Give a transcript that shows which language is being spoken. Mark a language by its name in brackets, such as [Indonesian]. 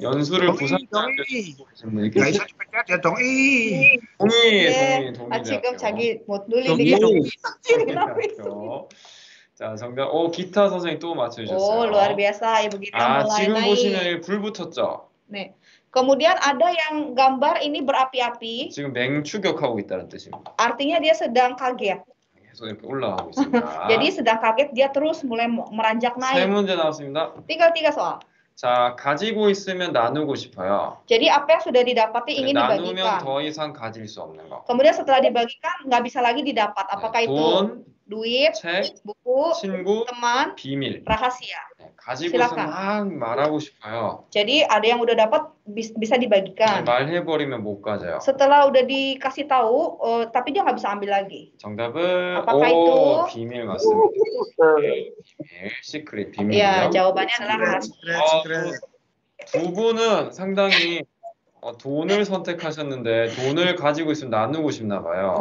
[Korean] 연수를 부산대학교 하신 분이 계시죠? 동의. 동의. 동의. 아, 지금 자기 못 눌리니까. 자, 정답. 오, 기타 선생님 또 맞춰주셨어요. [Indonesian] 오, luar biasa. 이모 기타 [Korean] mulai. 아, 지금 보시는 불 붙었죠? 네. [Indonesian] Kemudian ada yang gambar ini berapi-api. [Korean] 지금 맹추격하고 있다는 뜻입니다. [Indonesian] Artinya dia sedang kaget. [Korean] 계속 이렇게 올라가고 있습니다. [Indonesian] Jadi sedang kaget, dia terus mulai meranjak naik. [Korean] 세 문제 나왔습니다. [Indonesian] 3 soal. [Korean] 자, 가지고 있으면 나누고 싶어요. [Indonesian] Jadi apa yang sudah didapati ingin dibagikan. [Korean] 나누면 더 이상 가질 수 없는 거. [Indonesian] Kemudian setelah dibagikan, nggak bisa lagi didapat. Apakah 네, [Korean] 돈, [Indonesian] itu duit, [Korean] 책, 부부, 친구, [Indonesian] teman, [Korean] 비밀, [Indonesian] rahasia. [Korean] 가지고 있으면 막 말하고 싶어요. [Indonesian] Jadi ada yang udah dapat bisa dibagikan. [Korean] 말해버리면 못 가져요. [Indonesian] Setelah udah dikasih tahu, tapi dia nggak bisa ambil lagi. [Korean] 정답은 [Indonesian] apakah [Korean] 오, [Indonesian] itu? [Korean] 비밀 맞습니다. 비밀, 시크릿 비밀. [Indonesian] 야, �awabannya adalah rahasia. [Korean] 두 분은 상당히 돈을 선택하셨는데 돈을 가지고 있으면 나누고 싶나 봐요.